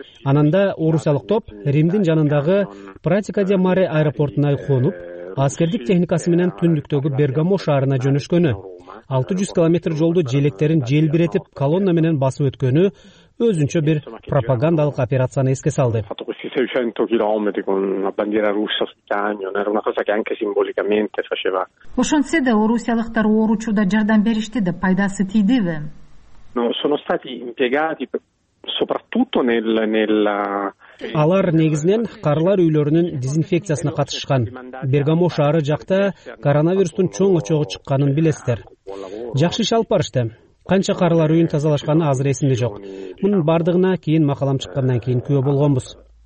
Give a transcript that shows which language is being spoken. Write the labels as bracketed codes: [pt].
[ky] Анда орусиялык топ Римдин жанындагы Пратика де Маре аэропортуна конуп, аскердик техникасы менен түндүктөгү Бергамо шаарына жөнөшкөнү, 600 км жолду желектерин желбиретип колонна менен басып өткөнү өзүнчө бир пропагандалык операцияны эске салды. [it] 600 км con una bandiera russa sul camion era una cosa che anche simbolicamente faceva. [ky] Ошонсо да орусиялыктар оорчуда жардам беришти деп пайдасы тийдиби? [it] Но sono stati impiegati soprattutto nella [ky] Алар негизинен карылар үйлөрүнүн дезинфекциясына катышкан. Бергамо шаары жакта коронавирустун чоң очогу чыкканын билесиздер. Жакшы иш алып барышты. Канча карылар үйүн тазалашканы азыр эсимде жок. Мунун бардыгына кийин макалам чыккандан кийин күбө болгонбуз.